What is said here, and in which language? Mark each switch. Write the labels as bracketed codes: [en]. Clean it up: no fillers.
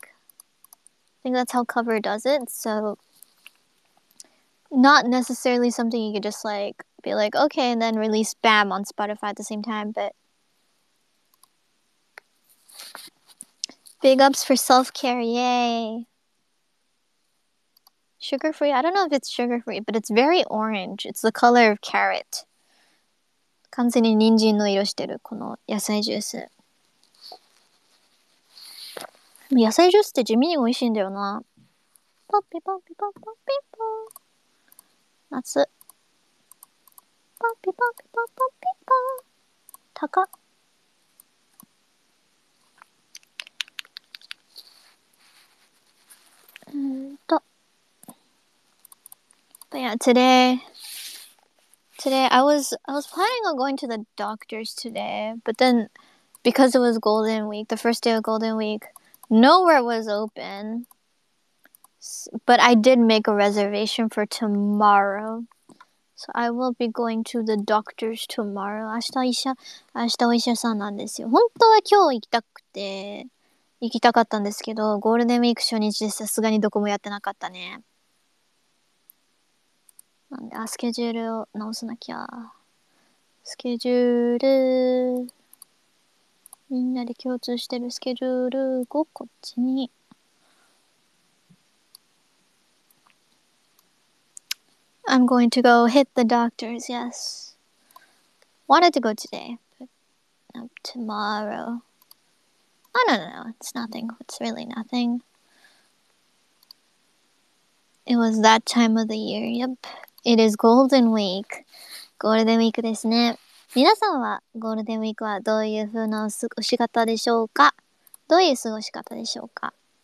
[en] I think that's how Cover does it. So, not necessarily something you could just, like, be like, okay, and then release, bam, on Spotify at the same time, but... Big ups for self-care, yay! Sugar-free? I don't know if it's sugar-free, but it's very orange. It's the color of carrot. [ja] 完全に人参の色してる、この野菜ジュース。野菜ジュースって地味に美味しいんだよな。ポッピポッピポッポッピポン。夏。ポッピポッピポッポッピポン。高っ。 [en] But yeah, today I was planning on going to the doctor's today, but then because it was Golden Week, the first day of Golden Week, nowhere was open. But I did make a reservation for tomorrow. So I will be going to the doctor's tomorrow. [ja] 明日お医者さんなんですよ。本当は今日行きたくて。行きたかったんですけど、ゴールデンウィーク初日でさすがにどこもやってなかったね。なんで、スケジュールを直さなきゃ。スケジュール。みんなで共通してるスケジュールをこっちに。 [en] I'm going to go hit the doctors, yes. Wanted to go today, but not tomorrow. Oh, no, no, no, it's nothing. It's really nothing. It was that time of the year, yep. It is Golden Week. [ja] ゴールデンウィークですね。皆さんはゴールデンウィークはどういう風な過ごし方でしょうか？どういう過ごし方でしょうか？